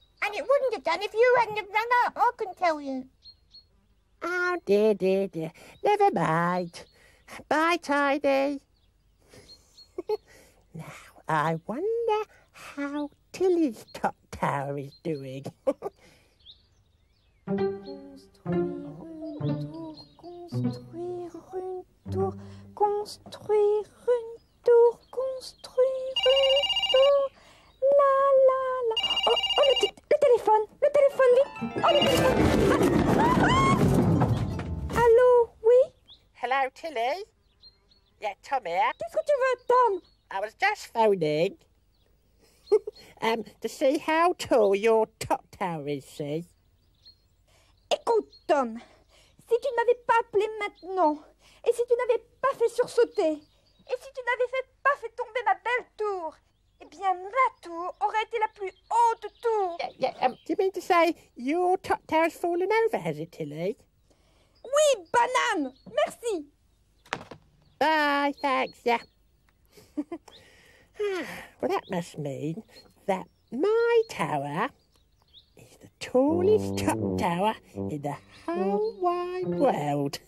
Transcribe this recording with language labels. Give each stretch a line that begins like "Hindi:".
English: And it wouldn't have done if you hadn't have run up, I can tell you. Oh, dear, dear, dear. Never mind. Bye, Tidy. Now, I wonder how Tilly's top tower is doing.
French: Construire une tour, construire une tour, la la la. Oh, oh le téléphone, vite. Oh, le téléphone. Allô, oui.
English: Hello, Tilly. Yeah, Tom here.
French: Qu'est-ce que tu veux, Tom?
English: I was just phoning to see how tall your top tower is, see?
French: Écoute, Tom, si tu ne m'avais pas appelé maintenant, et si tu n'avais pas fait sursauter, et si tu n'avais pas fait tomber ma belle tour, eh bien, ma tour aurait été la plus haute tour.
English: Do you mean to say your top tower has fallen over, has it, Tilly?
French: Oui, banane! Merci!
English: Bye, thanks, yeah. Well, that must mean that my tower is the tallest top tower in the whole wide world.